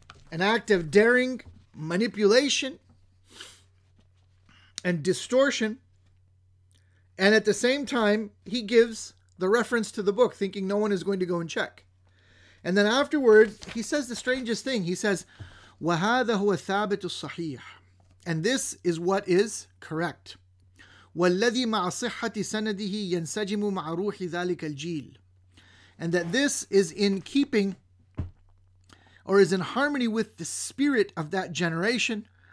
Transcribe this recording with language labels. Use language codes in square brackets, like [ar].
[en] An act of daring manipulation and distortion. And at the same time, he gives the reference to the book, thinking no one is going to go and check. And then afterwards, he says the strangest thing. He says, [ar] وَهَذَا هُوَ ثَابِتُ الصَّحِيحُ. [en] And this is what is correct. [ar] وَالَّذِي مَعَ صِحَّةِ سَنَدِهِ يَنْسَجِمُ مَعَ رُوحِ ذَلِكَ الْجِيلِ. [en] And that this is in keeping, or is in harmony with, the spirit of that generation.